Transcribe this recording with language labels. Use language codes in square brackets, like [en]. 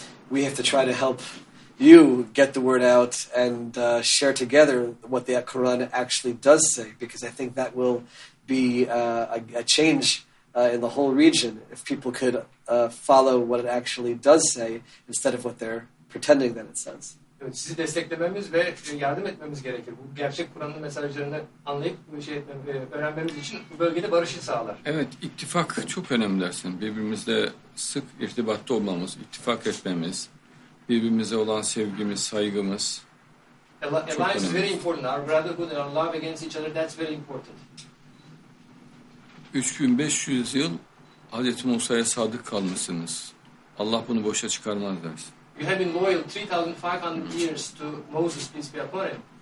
[en] We have to try to help you get the word out and share together what the Quran actually does say, because I think that will be a change in the whole region if people could follow what it actually does say instead of what they're pretending that it says. [tr] Sizi desteklememiz ve yardım etmemiz gerekir. Bu gerçek Kur'an'ın mesajlarını anlayıp öğrenmemiz için bölgede barışı sağlar. Evet, ittifak çok önemli dersin. Birbirimizle sık irtibatta olmamız, ittifak etmemiz, birbirimize olan sevgimiz, saygımız. [en] Alliance is very important. Our brotherhood and our love against each other, that's very important. [tr] 3500 yıl Hazreti Musa'ya sadık kalmışsınız. Allah bunu boşa çıkarmaz dersin. [en] You have been loyal 3500 years to Moses, peace be upon him.